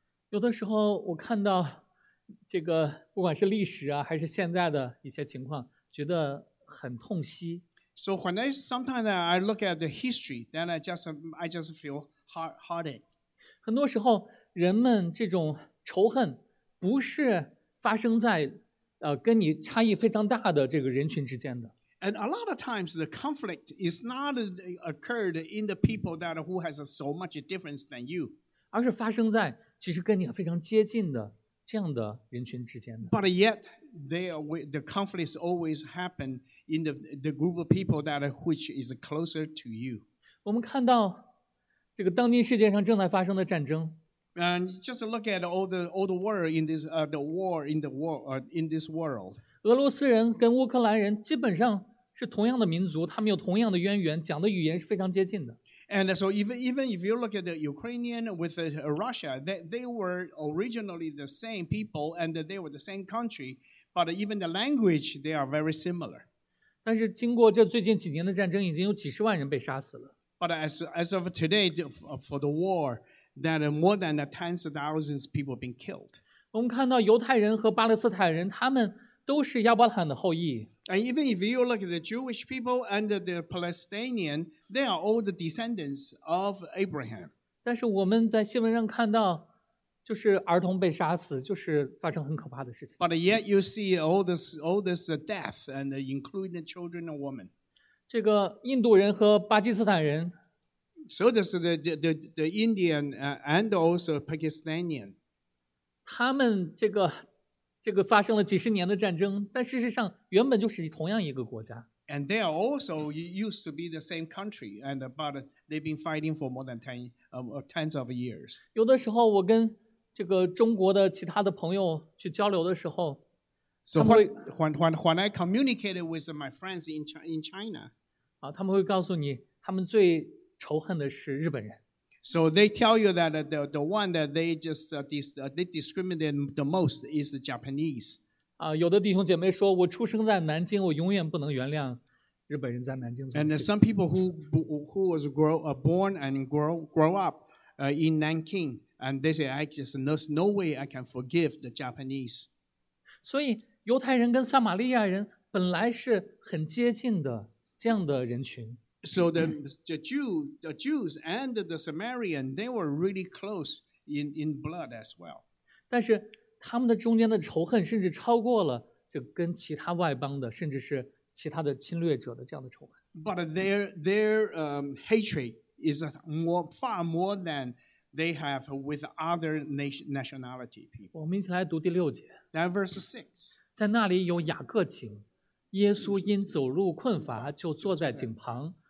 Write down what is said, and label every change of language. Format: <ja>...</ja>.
<zh>有的时候我看到这个不管是历史啊还是现在的一些情况觉得很痛惜。</zh> <en>So when sometimes I look at the history, then I just feel hearted.</en> <zh>很多时候人们这种仇恨不是发生在跟你差异非常大的这个人群之间的。</zh> <en>And a lot of times the conflict is not occurred in the people that who has so much difference than you.</en> <zh>而是发生在其实跟你非常接近的这样的人群之间的。</zh> <en>But yet, the conflicts always happen in the group of people that which is closer to you.</en> <zh>我们看到这个当今世界上正在发生的战争。</zh> <en>And just look at all the war in this the war in the world in this world.</en> <zh>俄罗斯人跟乌克兰人基本上是同样的民族，他们有同样的渊源，讲的语言是非常接近的。</zh> <en>And so even if you look at the Ukrainian with Russia, they were originally the same people and they were the same country, but even the language, they are very similar.</en> <zh>但是经过这最近几年的战争已经有几十万人被杀死了。</zh> <en>But as of today, for the war, that more than tens of thousands of people have been killed.</en> <zh>我们看到犹太人和巴勒斯坦人他们都是亚伯拉罕的后裔。</zh> <en>And even if you look at the Jewish people and the Palestinian, they are all the descendants of Abraham.</en> <zh>但是我们在新闻上看到，就是儿童被杀死，就是发生很可怕的事情。</zh> <en>But yet you see all this death, and including the children and women.</en> <zh>这个印度人和巴基斯坦人。</zh> <en>So does the Indian and also Pakistanian.</en> <zh>他们这个发生了几十年的战争，但事实上原本就是同样一个国家。</zh> <en>And they are also used to be the same country, and but they've been fighting for more than tens of years.</en> <zh>有的时候我跟这个中国的其他的朋友去交流的时候</zh> <en>，So when I communicated with my friends in China,</en> <zh>啊，他们会告诉你，他们最仇恨的是日本人。</zh> <en>So they tell you that the one that they just they discriminate the most is the Japanese.</en> <zh>有的弟兄姐妹说，我出生在南京，我永远不能原谅日本人在南京。</zh> <en>And some people who was born and grow up in Nanking, and they say, I just there's no way I can forgive the Japanese.</en> <zh>所以犹太人跟撒玛利亚人本来是很接近的这样的人群。</zh> <en>So the Jews and the Samaritans, they were really close in blood as well.</en> <zh>但是他们的中间的仇恨甚至超过了就跟其他外邦的甚至是其他的侵略者的这样的仇恨。</zh> <en>But their hatred is far more than they have with other nationality people.</en> <zh>我们一起来读第六节。</zh> <en>That verse 6.</en> <zh>在那里有雅各井，耶稣因走路困乏就坐在井旁。</zh>